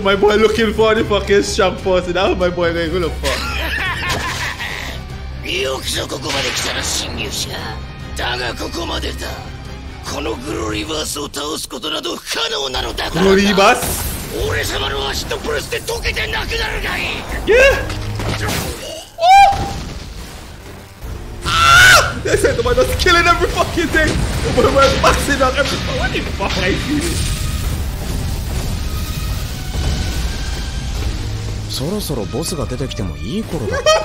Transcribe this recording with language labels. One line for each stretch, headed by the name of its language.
English: Yo, my boy looking for the fucking strong person. Now my boy going to look for.
Japanese: よくぞここまで来たな、侵入者。だがここまでだ。このグロリバースを倒すことなど不可能なのだからな。グロリバース、俺様の足とプレスで溶けてなくなるがいい。
English: They said the man was killing every fucking thing. The man was boxing on every fucking fight.
Japanese: そろそろボスが出てきてもいい頃だ。